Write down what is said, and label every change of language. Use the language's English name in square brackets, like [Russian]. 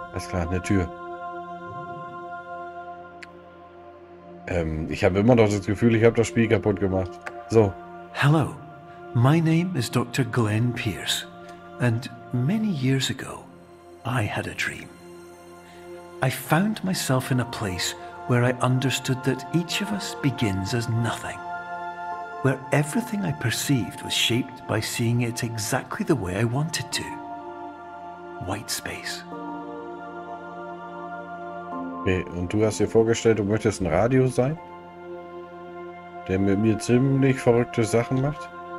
[German] Klar, eine Tür. Ich habe immer noch das Gefühl, ich habe das Spiel kaputt gemacht. So. [English] Hello, my name is Dr. Glenn Pierce. And many years ago, I had a dream. I found myself in a place where I understood that each of us begins as nothing. Where everything I perceived was shaped by seeing it exactly the way I wanted to. White space. [German] Okay, und du hast dir vorgestellt, du möchtest ein Radio sein, der mit mir ziemlich verrückte Sachen macht?